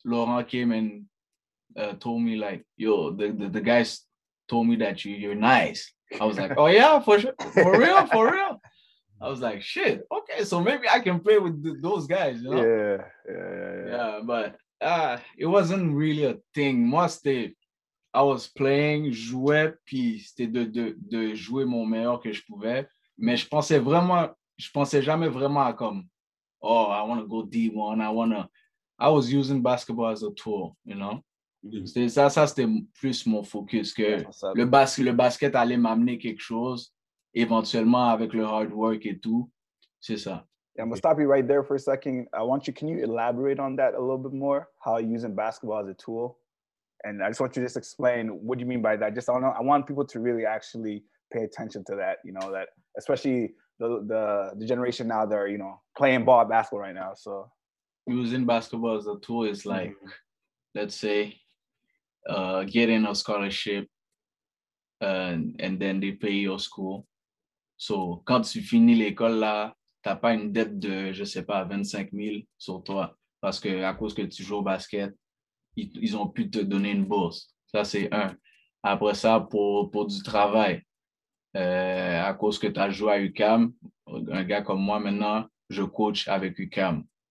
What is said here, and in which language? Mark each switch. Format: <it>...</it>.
<en>Laurent came and told me like, "Yo, the guys told me that you're nice." I was like, "Oh yeah, for sure, for real." I was like, shit, okay, so maybe I can play with those guys, you know? Yeah, but it wasn't really a thing.</en> <fr>Moi, c'était,</fr> <en>I was playing,</en> <fr>jouais, puis c'était de jouer mon meilleur que je pouvais. Mais je pensais jamais vraiment à comme,</fr> <en>oh, I want to go D1, I was using basketball as a tool, you know?</en> <fr>Ça, c'était plus mon focus que le basket allait m'amener quelque chose.</fr> <en>Eventually, with the hard work and tout,</en> <fr>c'est ça.</fr> <en>Yeah, I'm gonna stop you right there for a second. I want you, can you elaborate on that a little bit more? How using basketball as a tool? And I just want you to just explain what do you mean by that. Just I want people to really actually pay attention to that. You know, that especially the generation now that are, you know, playing ball basketball right now. So using basketball as a tool is like, let's say, getting a scholarship, and then they pay your school.</en> <fr>So, quand tu finis l'école là, t'as pas une dette de, je sais pas, 25 000 sur toi. Parce que à cause que tu joues au basket, ils ont pu te donner une bourse. Ça, c'est un. Après ça, pour du travail, à cause que t'as joué à UCAM, un gars comme moi maintenant, je coach avec UCAM.</fr>